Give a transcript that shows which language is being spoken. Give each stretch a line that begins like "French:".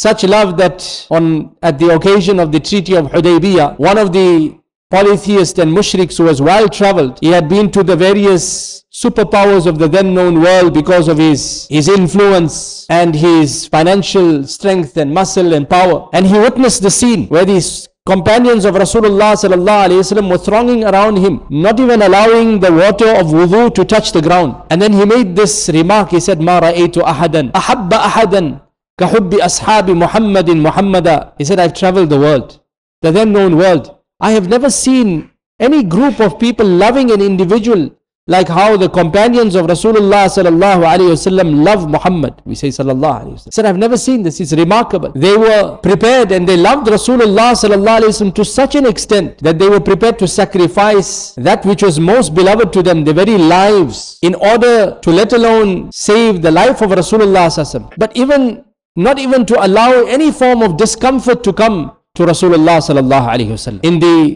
English: Such love that at the occasion of the Treaty of Hudaybiyah, one of the polytheist and mushriks who was well traveled, he had been to the various superpowers of the then known world because of his influence and his financial strength and muscle and power. And he witnessed the scene where these companions of Rasulullah sallallahu alayhi wa sallam were thronging around him, not even allowing the water of wudu to touch the ground. And then he made this remark, he said,
Arabic: مَا رَأَيْتُ أَحَدًا أَحَبَّ أَحَدًا كَحُبِّ أَصْحَابِ مُحَمَّدٍ مُحَمَّدًا.
English: He said, I've traveled the world, the then known world. I have never seen any group of people loving an individual like how the companions of Rasulullah sallallahu alayhi wa sallam love Muhammad. We say sallallahu alayhi wa sallam. Said, I've never seen this. It's remarkable. They were prepared and they loved Rasulullah sallallahu alayhi wa sallam to such an extent that they were prepared to sacrifice that which was most beloved to them, their very lives, in order to let alone save the life of Rasulullah sallallahu alayhi wa sallam. But not even to allow any form of discomfort to come to Rasulullah sallallahu alayhi wa sallam.